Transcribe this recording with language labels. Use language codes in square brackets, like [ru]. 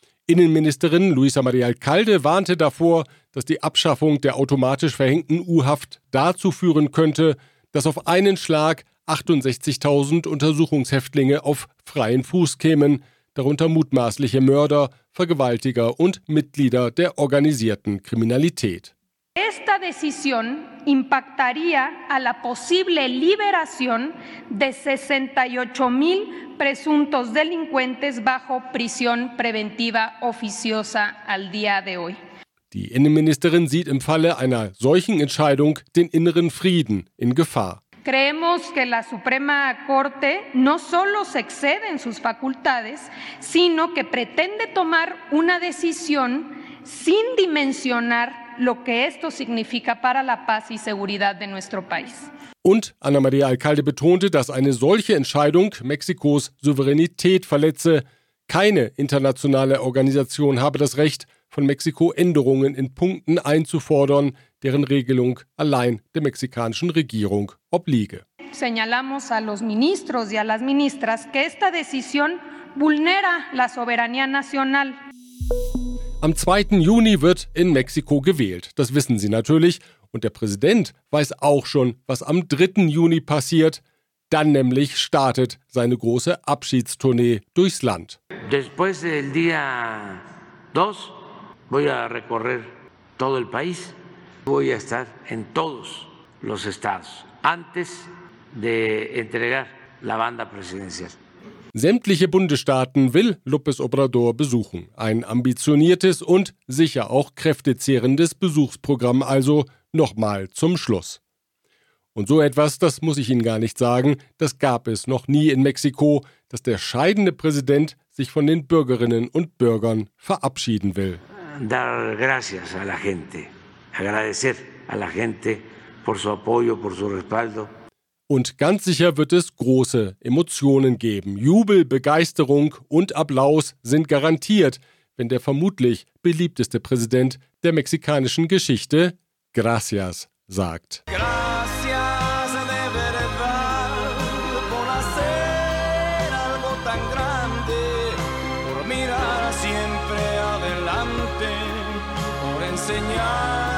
[de] Innenministerin Luisa María Alcalde warnte davor, dass die Abschaffung der automatisch verhängten U-Haft dazu führen könnte, dass auf einen Schlag 68.000 Untersuchungshäftlinge auf freien Fuß kämen, darunter mutmaßliche Mörder, Vergewaltiger und Mitglieder der organisierten Kriminalität. [es] Esta decisión impactaría a la posible liberación de 68,000 presuntos delincuentes bajo prisión preventiva oficiosa al día de hoy. [de] Die Innenministerin sieht im Falle einer solchen Entscheidung den inneren Frieden in Gefahr. [es] Creemos que la Suprema Corte no solo se excede en sus facultades, sino que pretende tomar una decisión sin dimensionar lo que esto significa para la paz y seguridad de nuestro país. [de] Und Ana María Alcalde betonte, dass eine solche Entscheidung Mexikos Souveränität verletze. Keine internationale Organisation habe das Recht, von Mexiko Änderungen in Punkten einzufordern, deren Regelung allein der mexikanischen Regierung obliege. [es] Señalamos a los ministros y a las ministras que esta decisión vulnera la soberanía nacional. [de] Am 2. Juni wird in Mexiko gewählt, das wissen Sie natürlich. Und der Präsident weiß auch schon, was am 3. Juni passiert. Dann nämlich startet seine große Abschiedstournee durchs Land. [es] Después del día 2 voy a recorrer todo el país. Voy a estar en todos los estados antes de entregar la banda presidencial. [de] Sämtliche Bundesstaaten will López Obrador besuchen. Ein ambitioniertes und sicher auch kräftezehrendes Besuchsprogramm also nochmal zum Schluss. Und so etwas, das muss ich Ihnen gar nicht sagen, das gab es noch nie in Mexiko, dass der scheidende Präsident sich von den Bürgerinnen und Bürgern verabschieden will. [es] Dar gracias a la gente, agradecer a la gente por su apoyo, por su respaldo. [de] Und ganz sicher wird es große Emotionen geben. Jubel, Begeisterung und Applaus sind garantiert, wenn der vermutlich beliebteste Präsident der mexikanischen Geschichte Gracias sagt. [es] Gracias de verdad por hacer algo tan grande, por mirar siempre adelante, por enseñar.